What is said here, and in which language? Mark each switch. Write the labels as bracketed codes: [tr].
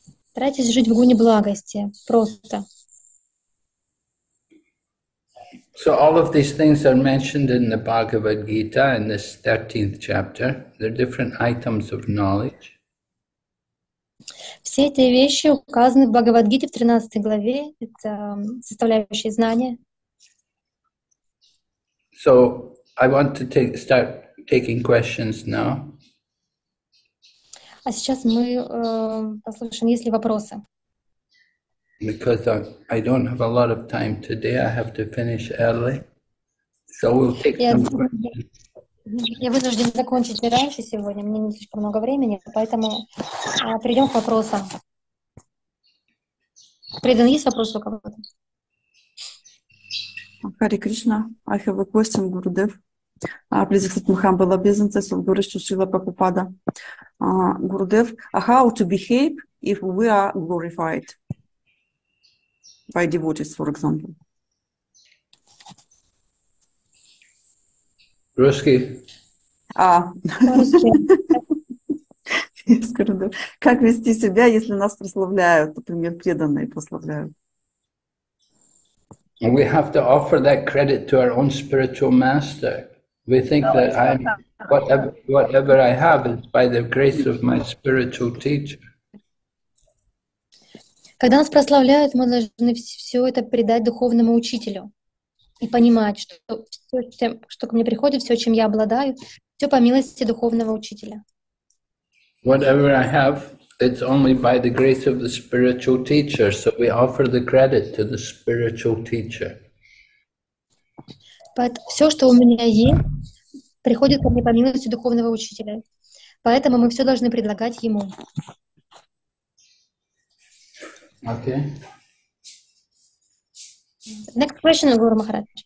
[ru] Старайтесь жить в гуне благости, просто. [en] So all of these things are mentioned in the Bhagavad Gita in this 13th chapter. They're different items of knowledge. [ru] Все эти вещи указаны в Бхагавад-гите в 13 главе, это составляющие знания. [en] So I want to start taking questions now. [ru] А сейчас мы послушаем, есть ли вопросы. [en] Because I don't have a lot of time today, I have to finish early. So we'll take some questions. [ru] Я вынужден закончить раньше сегодня, мне не слишком много времени, поэтому перейдем к вопросам. Преден, есть вопросы у кого-то? [en] Hare Krishna, I have a question, Gurudev. Please accept humble obeisances of Guru Srila Prabhupada. Gurudev, how to behave if we are glorified by devotees, for example? Ruski. Yes, Gurudev. [ru] Как вести себя, если нас прославляют, например, преданные прославляют? [en] We have to offer that credit to our own spiritual master. We think that I'm whatever I have is by the grace of my spiritual teacher. [ru] Когда нас прославляют, мы должны все это передать духовному учителю и понимать, что все, что ко мне приходит, все, чем я обладаю, все по милости духовного учителя. [en] Whatever I have, it's only by the grace of the spiritual teacher. So we offer the credit to the spiritual teacher. [ru] But все, что у меня есть, приходит ко мне по милости духовного учителя. Поэтому мы все должны предлагать ему. [en] Okay. Next question, Guru Maharaj.